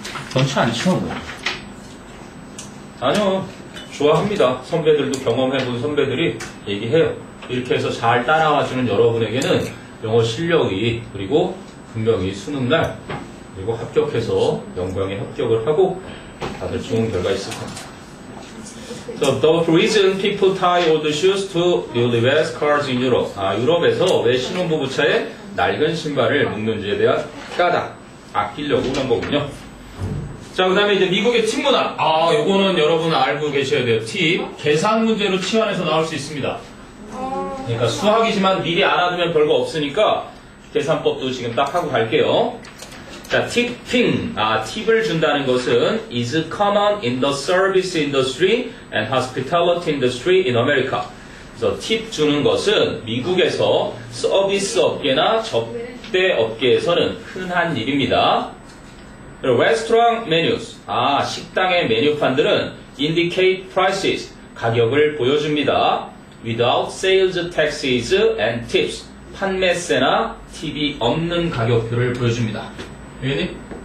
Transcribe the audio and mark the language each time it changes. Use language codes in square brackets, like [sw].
[ko] 전체 안 치워, 뭐. 아니요, 좋아합니다. 선배들도 경험해본 선배들이 얘기해요. 이렇게 해서 잘 따라와주는 여러분에게는 영어 실력이, 그리고 분명히 수능날, 그리고 합격해서 영광에 합격을 하고 다들 좋은 결과 있을 겁니다. [en] So, the reason people tie old shoes to newlywed cars in Europe. [ko] 아, 유럽에서 왜 신혼부부 차에 낡은 신발을 묶는지에 대한 까닭, 아끼려고 그런 거군요. 자, 그 다음에 이제 미국의 팁 문화. 아, 요거는 여러분 알고 계셔야 돼요. 팁. 계산 문제로 치환해서 나올 수 있습니다. 그러니까 수학이지만 미리 알아두면 별거 없으니까 계산법도 지금 딱 하고 갈게요. 자, tipping. 아, 팁을 준다는 것은 [en] is common in the service industry and hospitality industry in America. [ko] 그래서 팁 주는 것은 미국에서 서비스 업계나 접대 업계에서는 흔한 일입니다. 레스토랑 메뉴스, 아, 식당의 메뉴판들은 [en] indicate prices, [ko] 가격을 보여줍니다. [en] without sales taxes and tips, [ko] 판매세나 팁이 없는 가격표를 보여줍니다. 알겠니?